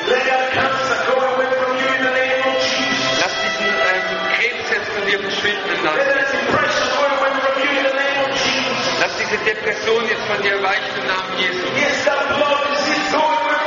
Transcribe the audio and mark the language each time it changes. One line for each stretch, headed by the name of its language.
English: Let that cancer go away from you in the name of Jesus.
German: Lass diesen Krebs jetzt von dir verschwinden im Namen.
English: Let that depression go away from you in the name of Jesus.
German: Lass diese Depression jetzt von dir weichen im Namen Jesu.
English: Yes, that blood is it going.